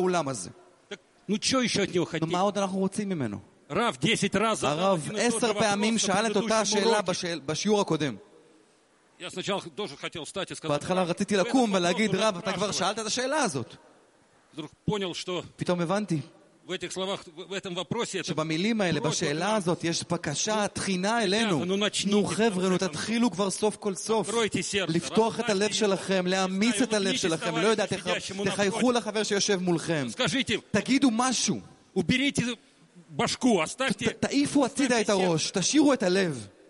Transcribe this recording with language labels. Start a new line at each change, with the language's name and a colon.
Russian: стороны, ну что еще от него хотим? Рав, 10 раз задал эту вопросу. Я сначала тоже хотел встать и сказать.
Hebrew: בהתחלה רציתי לקום ולהגיד, רב, אתה כבר שאלת את השאלה הזאת.
Russian: Вдруг понял, что
Hebrew: פתאום הבנתי.
Russian: В этих словах, в этом вопросе,
Hebrew: שבמילים האלה, בשאלה הזאת, יש בקשה, תחינה אלינו. נו, חבר'ה, תתחילו כבר סוף כל סוף. לפתוח את הלב שלכם, להעמיס את הלב שלכם. לא יודעת, תחייכו לחבר שיושב מולכם.
Russian: Скажите,
Hebrew: תגידו משהו.
Russian: Уберите башку, оставьте.
Hebrew: תעיפו הצידה את הראש, תשאירו את הלב.